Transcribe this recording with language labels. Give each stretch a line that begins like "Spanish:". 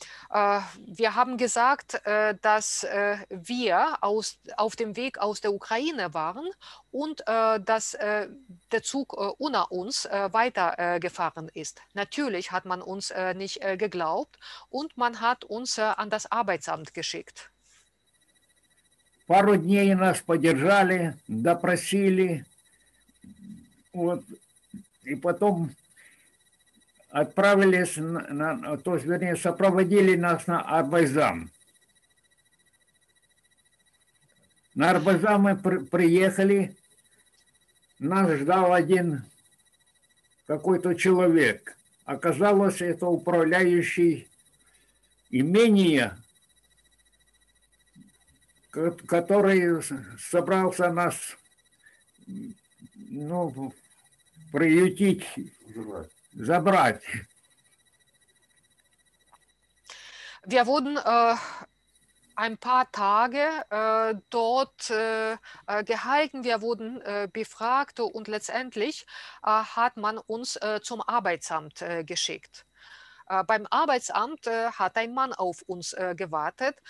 German: Wir haben gesagt, dass wir auf dem Weg aus der Ukraine waren und dass der Zug unter uns weitergefahren ist. Natürlich hat man uns nicht geglaubt und man hat uns an das Arbeitsamt geschickt.
Russian: Пару дней нас подержали, допросили, вот, и потом отправились, сопроводили нас на Арбайджан. На Арбайджан мы приехали, нас ждал один какой-то человек. Оказалось, это управляющий имения, который собрался нас, ну, приютить, забрать.
German: Wir wurden ein paar Tage dort gehalten, wir wurden befragt und letztendlich hat man uns zum Arbeitsamt geschickt. Beim Arbeitsamt hat ein Mann auf uns gewartet.